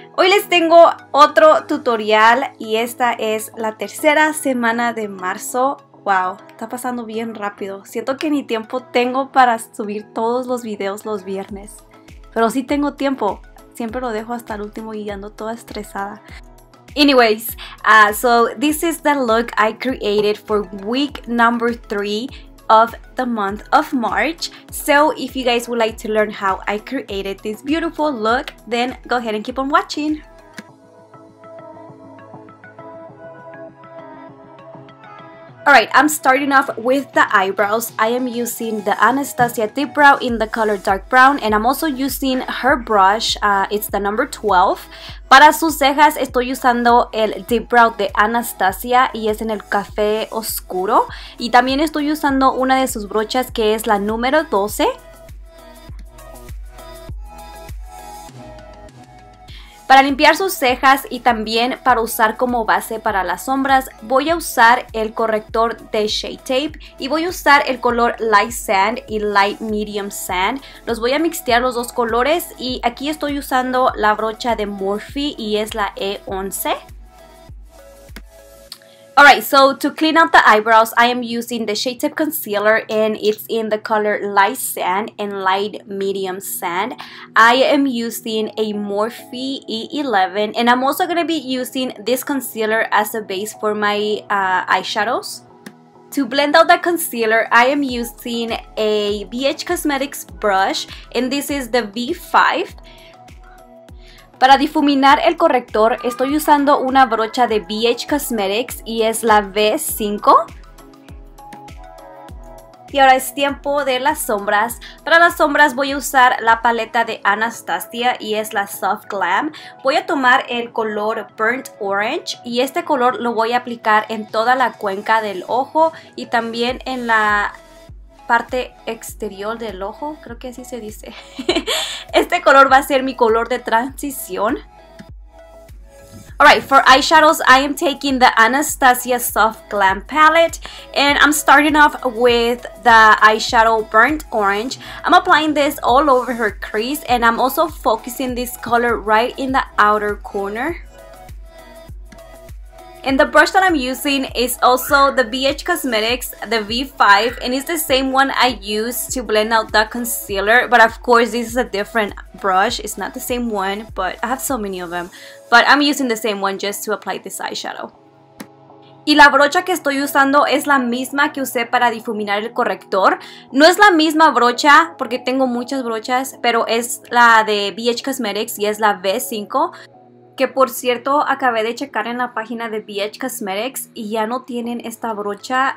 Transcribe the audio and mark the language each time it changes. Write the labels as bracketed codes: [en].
[es] Hoy les tengo otro tutorial y esta es la tercera semana de marzo. Wow, está pasando bien rápido. Siento que ni tiempo tengo para subir todos los videos los viernes. Pero sí tengo tiempo. Siempre lo dejo hasta el último y ando toda estresada. [en] Anyways, so this is the look I created for week number 3. Of the month of March. So if you guys would like to learn how I created this beautiful look, then go ahead and keep on watching. Alright, I'm starting off with the eyebrows. I am using the Anastasia Deep Brow in the color Dark Brown, and I'm also using her brush, it's the number 12. [es] Para sus cejas estoy usando el Deep Brow de Anastasia y es en el café oscuro. Y también estoy usando una de sus brochas que es la número 12. Para limpiar sus cejas y también para usar como base para las sombras, voy a usar el corrector de Shade Tape y voy a usar el color Light Sand y Light Medium Sand. Los voy a mixtear los dos colores y aquí estoy usando la brocha de Morphe y es la E11. [en] Alright, so to clean out the eyebrows, I am using the Shade Tape Concealer and it's in the color Light Sand and Light Medium Sand. I am using a Morphe E11 and I'm also going to be using this concealer as a base for my eyeshadows. To blend out the concealer, I am using a BH Cosmetics brush and this is the V5. [es] Para difuminar el corrector, estoy usando una brocha de BH Cosmetics y es la V5. Y ahora es tiempo de las sombras. Para las sombras voy a usar la paleta de Anastasia y es la Soft Glam. Voy a tomar el color Burnt Orange y este color lo voy a aplicar en toda la cuenca del ojo y también en la parte exterior del ojo, creo que así se dice. Este color va a ser mi color de transición. [en] Alright, for eyeshadows, I am taking the Anastasia Soft Glam Palette and I'm starting off with the eyeshadow Burnt Orange. I'm applying this all over her crease and I'm also focusing this color right in the outer corner. And the brush that I'm using is also the BH Cosmetics, the V5, and it's the same one I used to blend out the concealer. But of course, this is a different brush. It's not the same one, but I have so many of them. But I'm using the same one just to apply this eyeshadow. [es] Y la brocha que estoy usando es la misma que usé para difuminar el corrector. No es la misma brocha porque tengo muchas brochas, pero es la de BH Cosmetics y es la V5. Que por cierto, acabé de checar en la página de BH Cosmetics y ya no tienen esta brocha.